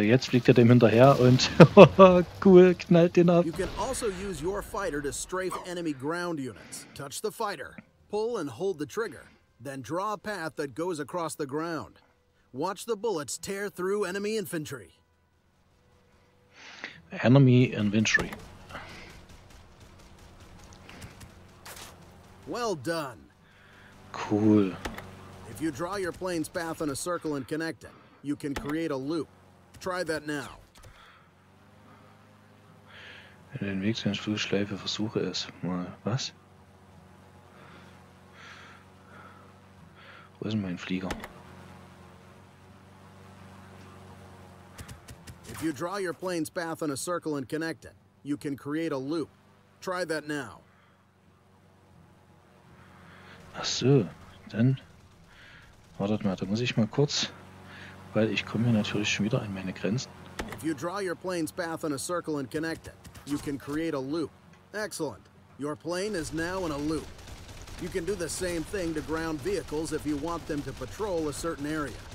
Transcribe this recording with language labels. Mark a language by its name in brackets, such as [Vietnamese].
[German] Jetzt fliegt dem hinterher und cool, knallt den ab. [English] You can also use your fighter to strafe enemy ground units. Touch the fighter. Pull and hold the trigger, then draw a path that goes across the ground. Watch the bullets tear through enemy infantry. Enemy infantry. Well done. Cool. If you draw your plane's path on a circle and connect it, you can create a loop. Try that now. [German] In den Weg zu einer Flugschleife versuche es mal. Was? Wo ist mein Flieger? [English] If you draw your plane's path on a circle and connect it, you can create a loop. Try that now. [German] Ach so, dann wartet mal, da muss ich mal kurz, weil ich komme hier natürlich schon wieder an meine Grenzen. [English] If you draw your plane's path on a circle and connect it, you can create a loop. Excellent. Your plane is now in a loop. You can do the same thing to ground vehicles if you want them to patrol a certain area.